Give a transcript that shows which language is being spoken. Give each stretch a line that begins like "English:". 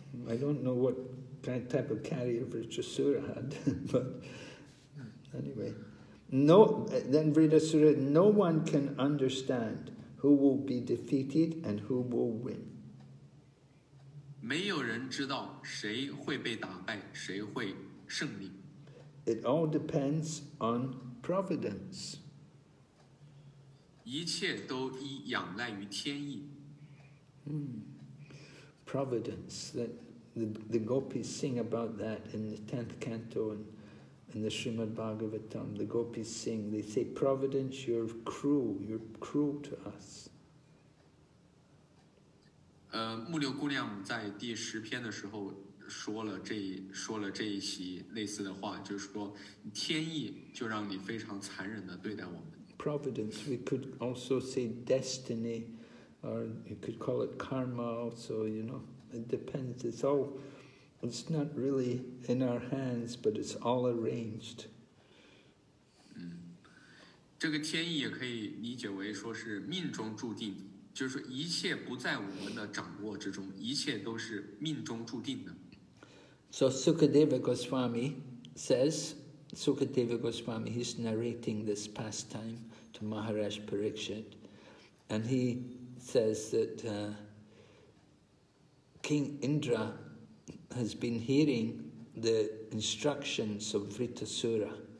English: I don't know what kind of type of carrier Vritrasura had, but anyway. No, then Vritrasura, no one can understand who will be defeated and who will win.
Chinese: 没有人知道谁会被打败，谁会胜利。
English: It all depends on providence.
Chinese: 一切都仰赖于天意。
English: Providence, that the gopis sing about that in the 10th canto andIn the Srimad Bhagavatam, the gopis sing, they say, Providence, you're cruel to us.
Chinese: 木牛姑娘在第十篇的时候说了这一席类似的话，就是说天意就让你非常残忍地对待我们。
English: Providence, we could also say destiny, or you could call it karma also, you know, it depends, it's not really in our hands, but it's all arranged.
Chinese: 这个天意也可以理解为说是命中注定，就是说一切不在我们的掌握之中，一切都是命中注定的。
English: So Sukadeva Goswami says, Sukadeva Goswami, he's narrating this pastime to Maharaj Parikshit, and he says that King Indra. Has been hearing the instructions of Vritrasura.